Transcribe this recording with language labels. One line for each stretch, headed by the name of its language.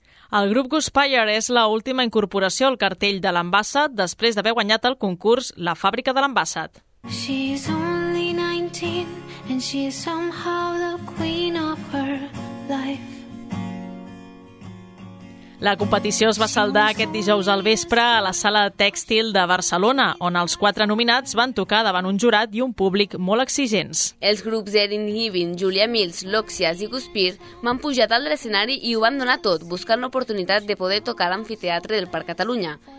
Catalan: El grup Guspire és l'última incorporació al cartell de l'Ambassat després d'haver guanyat el concurs La fàbrica de l'Ambassat.
English: She's only 19 and she's somehow the queen of her life.
Catalan: La competició es va saldar aquest dijous al vespre a la Sala Tèxtil de Barcelona, on els quatre nominats van tocar davant un jurat i un públic molt exigents. Els grups Erin Hibbing, Julia Mills, Loxias i Guspire van pujar dalt de l'escenari i ho van donar tot, buscant l'oportunitat de poder tocar a l'amfiteatre del Parc Catalunya.